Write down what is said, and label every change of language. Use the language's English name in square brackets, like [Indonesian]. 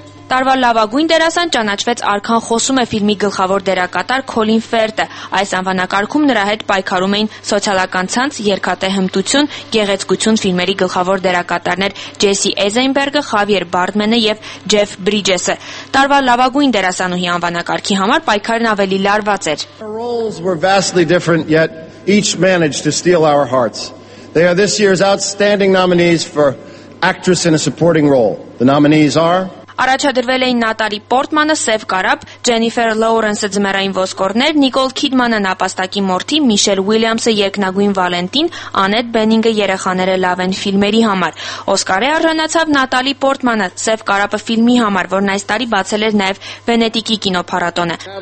[Armenian] Տարվա լավագույն դերասան ճանաչվեց Արքան խոսում է ֆիլմի գլխավոր դերակատար Քոլին Ֆերտը։ Այս անվանակարգում նրա հետ պայքարում էին Սոցիալական Ցանց, Երկաթե Հմտություն, Գեղեցկություն ֆիլմերի գլխավոր դերակատարներ Ջեսի Էյզենբերգը, Խավիեր Բարդմենը և Ջեֆ Բրիջեսը։ Տարվա լավագույն դերասանուհի անվանակարգի համար պայքարն ավելի լարված էր։ [English] The roles were vastly different, yet each managed to steal our hearts. They are this year's outstanding nominees for actress in a supporting role. The nominees are [Armenian] Առաջադրվել էին Նատալի Պորտմանը Սև Կարապ, Ջենիֆեր Լոուրենսը Ձմեռային Ոսկորներ, Նիկոլ Քիդմանը Նապաստակի Մորթի, Միշել Ուիլյամսը Երկնագույն Վալենտին, Անետ Բենինգը Երեխաները լավեն ֆիլմերի համար։ Օսկարը առանցացավ Նատալի Պորտմանը Սև Կարապը ֆիլմի համար, որն այս տարի բացել էր նաև Վենետիկի կինոփառատոնը։